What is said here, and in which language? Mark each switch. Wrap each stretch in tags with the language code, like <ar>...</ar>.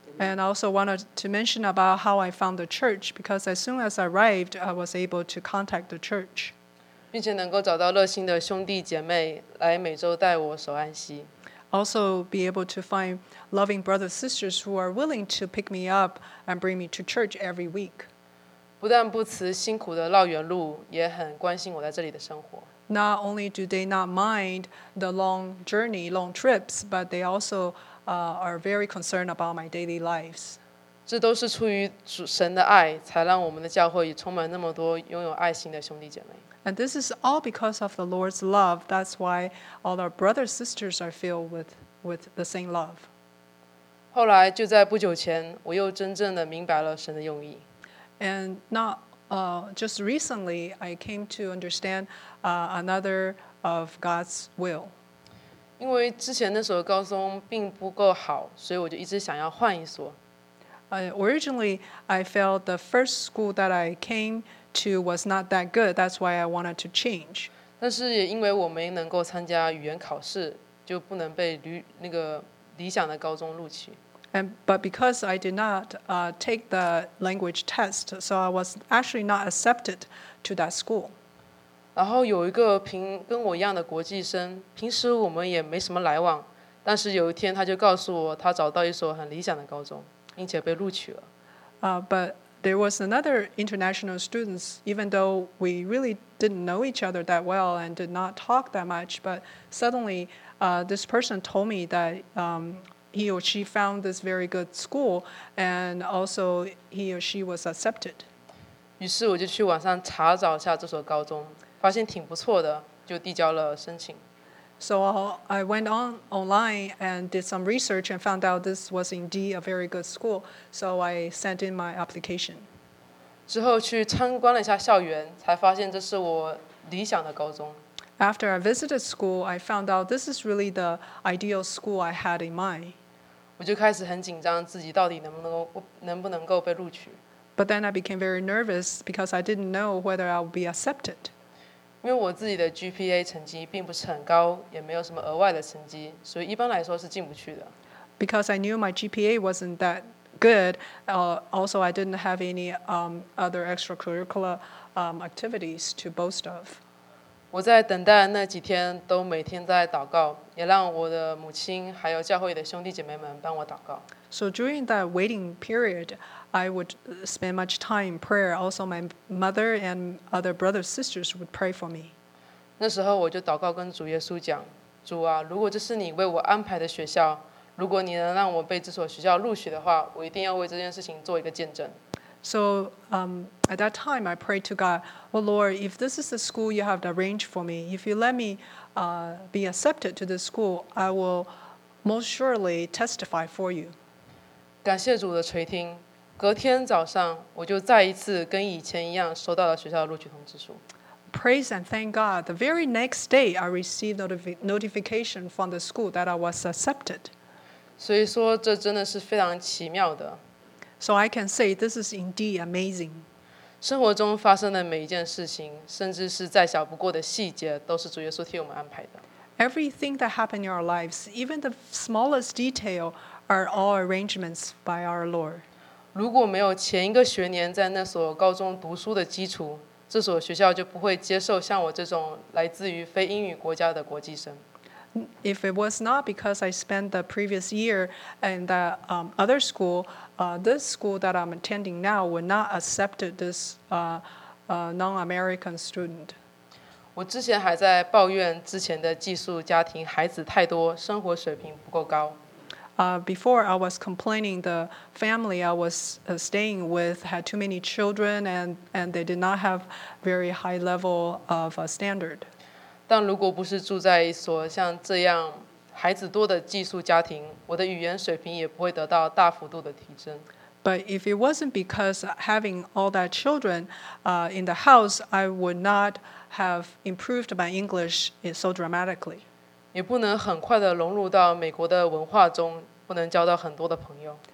<en>And I also wanted to mention about how I found the church, because as soon as I arrived, I was able to contact the church.</en> <zh>并且能够找到热心的兄弟姐妹来每周带我守安息。</zh> <en>Also be able to find loving brothers and sisters who are willing to pick me up and bring me to church every week.</en> <zh>不但不辞辛苦的绕远路，也很关心我在这里的生活。</zh> <en>Not only do they not mind the long journey, long trips, but they also are very concerned about my daily lives.</en> <zh>这都是出于神的爱，才让我们的教会也充满那么多拥有爱心的兄弟姐妹。</zh> <en>And this is all because of the Lord's love. That's why all our brothers and sisters are filled with the same love.</en> <zh>后来就在不久前，我又真正的明白了神的用意。</zh> <en>And not just recently, I came to understand another of God's will.</en> <zh>因为之前那所高中并不够好，所以我就一直想要换一所。</zh> <en>Originally, I felt the first school that I came to was not that good. That's why I wanted to change.</en> <zh>但是也因为我没能够参加语言考试，就不能被那个理想的高中录取。</zh> <en>But because I did not take the language test, so I was actually not accepted to that school.</en> <zh>然后有一个跟我一样的国际生，平时我们也没什么来往，但是有一天他就告诉我，他找到一所很理想的高中，并且被录取了。</zh> <en>But there was another international student, even though we really didn't know each other that well and did not talk that much, but suddenly this person told me that he or she found this very good school, and also he or she was accepted.</en> <zh>于是我就去网上查找一下这所高中，发现挺不错的，就递交了申请。</zh> <en>So I went online and did some research and found out this was indeed a very good school. So I sent in my application.</en> <zh>之后去参观了一下校园，才发现这是我理想的高中。</zh> <en>After I visited school, I found out this is really the ideal school I had in mind.</en> <zh>我就开始很紧张，自己到底能不能够被录取。</zh> <en>But then I became very nervous because I didn't know whether I would be accepted.</en> <zh>因为我自己的 GPA 成绩并不是很高，也没有什么额外的成绩，所以一般来说是进不去的。</zh> <en>Because I knew my GPA wasn't that good, also I didn't have any other extracurricular activities to boast of.</en> <zh>我在等待那几天都每天在祷告，也让我的母亲还有教会的兄弟姐妹们帮我祷告。</zh> <en>So during that waiting period, I would spend much time in prayer. Also, my mother and other brothers and sisters would pray for me.</en> <zh>那时候我就祷告跟主耶稣讲，主啊，如果这是你为我安排的学校，如果你能让我被这所学校录取的话，我一定要为这件事情做一个见证。</zh> <en>So, at that time, I prayed to God, Well, Lord, if this is the school you have arranged for me, if you let me be accepted to this school, I will most surely testify for you.</en> <zh>感谢主的垂听，隔天早上我就再一次跟以前一样收到了学校的录取通知书。</zh> <en>Praise and thank God, the very next day I received notification from the school that I was accepted.</en> <zh>所以说这真的是非常奇妙的。</zh> <en>So I can say this is indeed amazing.</en> <zh>生活中发生的每一件事情，甚至是再小不过的细节，都是主耶稣替我们安排的。</zh> <en>Everything that happened in our lives, even the smallest detail,are all arrangements by our Lord.</en> <zh>如果没有前一个学年在那所高中读书的基础，这所学校就不会接受像我这种来自于非英语国家的国际生。</zh> <en>If it was not because I spent the previous year in the other school, this school that I'm attending now would not accept this non-American student.</en> <zh>我之前还在抱怨之前的寄宿家庭孩子太多，生活水平不够高。</zh> <en>Before I was complaining the family I was staying with had too many children and they did not have very high level of standard.</en> <zh>但如果不是住在一所像这样孩子多的寄宿家庭，我的语言水平也不会得到大幅度的提升。</zh> <en>But if it wasn't because having all that children in the house, I would not have improved my English so dramatically.</en> <zh>也不能很快地融入到美国的文化中，不能交到很多的朋友。</zh>